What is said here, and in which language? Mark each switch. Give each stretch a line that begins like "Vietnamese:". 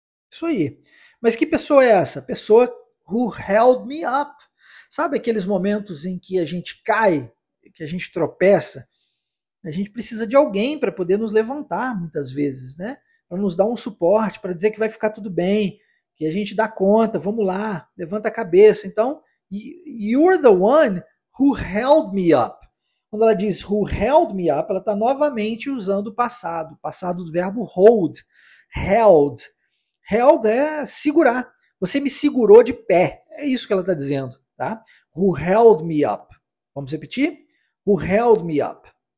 Portuguese: Isso aí. Mas que pessoa é essa? Pessoa
English: who held me up.
Portuguese: Sabe aqueles momentos em que a gente cai, que a gente tropeça? A gente precisa de alguém para poder nos levantar muitas vezes, né? Para nos dar um suporte, para dizer que vai ficar tudo bem, que a gente dá conta, vamos lá, levanta a cabeça. Então,
English: you're the one who held me up.
Portuguese: Quando ela diz
English: who held me up,
Portuguese: ela está novamente usando o passado do verbo hold, held. Held é segurar, você me segurou de pé, é isso que ela está dizendo, tá?
English: Who held me up.
Portuguese: Vamos repetir?
English: Who held me up.